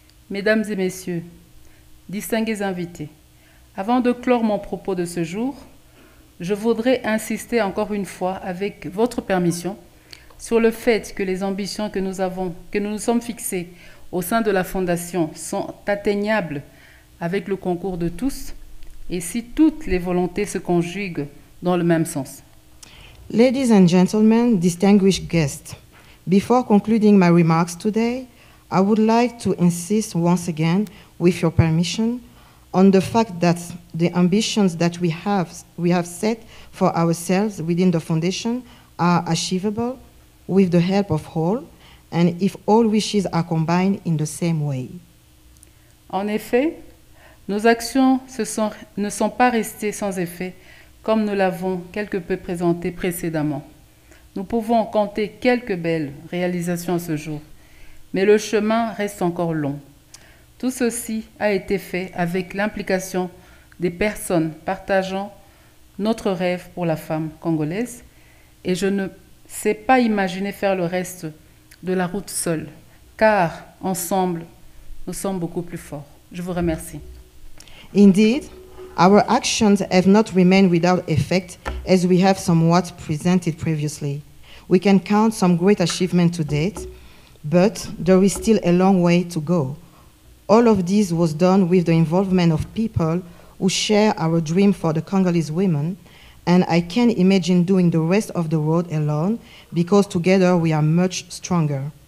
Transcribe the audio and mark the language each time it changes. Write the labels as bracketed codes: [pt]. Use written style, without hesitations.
[fr] Mesdames et messieurs, distingués invités, avant de clore mon propos de ce jour, je voudrais insister encore une fois, avec votre permission, sur le fait que les ambitions que nous nous sommes fixées au sein de la Fondation sont atteignables avec le concours de tous et si toutes les volontés se conjuguent dans le même sens. [en] Ladies and gentlemen, distinguished guests, before concluding my remarks today, I would like to insist once again, with your permission, on the fact that the ambitions that we have set for ourselves within the foundation are achievable with the help of all, and if all wishes are combined in the same way. [fr] En effet, nos actions ne sont pas restées sans effet, comme nous l'avons quelque peu présenté précédemment. Nous pouvons compter quelques belles réalisations à ce jour, mais le chemin reste encore long. Tout ceci a été fait avec l'implication des personnes partageant notre rêve pour la femme congolaise et je ne sais pas imaginer faire le reste de la route seule, car ensemble, nous sommes beaucoup plus forts. Je vous remercie. [en] Indeed, our actions have not remained without effect as we have somewhat presented previously. We can count some great achievements to date, but there is still a long way to go. All of this was done with the involvement of people who share our dream for the Congolese women, and I can't imagine doing the rest of the road alone, because together we are much stronger.